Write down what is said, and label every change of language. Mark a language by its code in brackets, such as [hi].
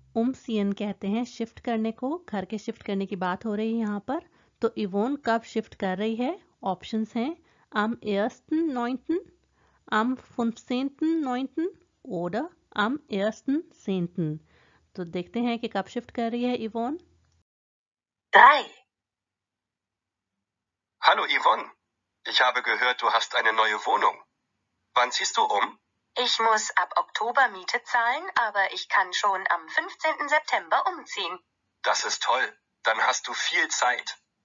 [hi] Umziehen कहते हैं shift करने को, घर के shift करने की बात हो रही है यहाँ पर. तो Yvonne कब shift कर रही है? Options हैं [de] am 1.9, am 15.9 oder am 1.10. [hi] तो देखते हैं कि कब shift कर रही है Yvonne. 3. [de] Hallo Yvonne, ich habe gehört, du hast eine neue Wohnung. Wann ziehst du um? Ich muss ab Oktober Miete zahlen, aber ich kann schon am 15. September umziehen. Das ist toll, dann hast du viel Zeit.